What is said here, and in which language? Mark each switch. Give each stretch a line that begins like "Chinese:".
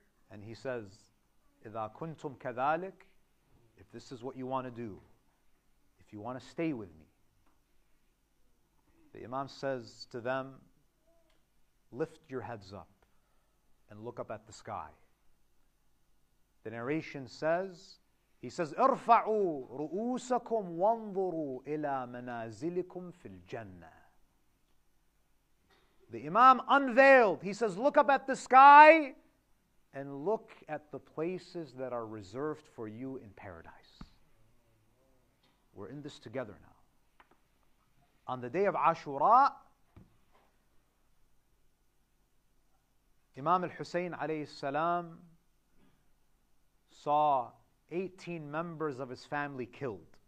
English: And he says,
Arabic: إِذَا كُنْتُمْ كَذَلِكَ.
English: If this is what you want to do, if you want to stay with me, the Imam says to them, lift your heads up and look up at the sky. The narration says, he says,
Arabic: ارفعوا رؤوسكم وانظروا إلى منازلكم في الجنة.
English: The Imam unveiled, he says, look up at the sky and look at the places that are reserved for you in paradise. We're in this together now. On the day of Ashura, Imam al-Hussein alayhi salam saw 18 members of his family killed.